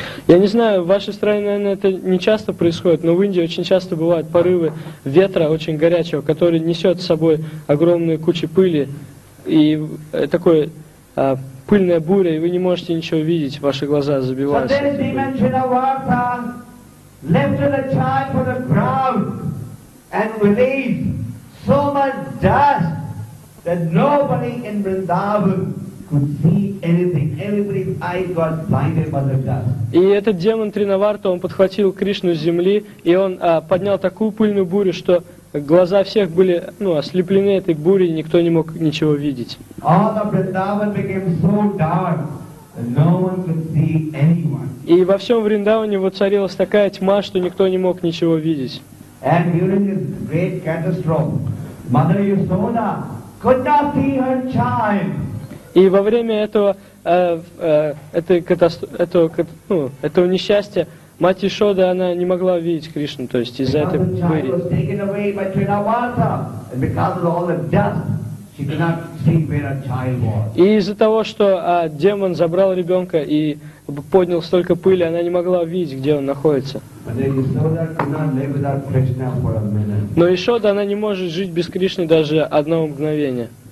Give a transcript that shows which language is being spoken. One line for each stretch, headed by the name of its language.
Russian: Я не знаю, в вашей стране, наверное, это не часто происходит, но в Индии очень часто бывают порывы ветра очень горячего, который несет с собой огромные кучи пыли. И такое пыльная буря, и вы не можете ничего видеть, ваши глаза забиваются.
English: So this demon Trinavarta lifted a child from the ground and released so much dust that nobody in Vrindavan could see anything. Everybody's eyes got blinded by the dust.
Russian: И этот демон Тринаварта, он подхватил Кришну с земли, и он поднял такую пыльную бурю, что глаза всех были, ну, ослеплены этой бурей, никто не мог ничего видеть.
English: All the Vrindavan became so dark. No one could see anyone.
Russian: И во всем Вриндаване воцарилась такая тьма, что никто не мог ничего видеть.
English: And during this great catastrophe, Mother Yasoda could not see her child.
Russian: И во время этого этого несчастья мать Ишода она не могла видеть Кришну, то есть из-за этой пыли.
English: Because the child was taken away by Trinavarta, and because of all the dust.
Russian: И из-за того, что демон забрал ребенка и поднял столько пыли, она не могла видеть, где он находится. Но Ишода, она не может жить без Кришны даже одного мгновения.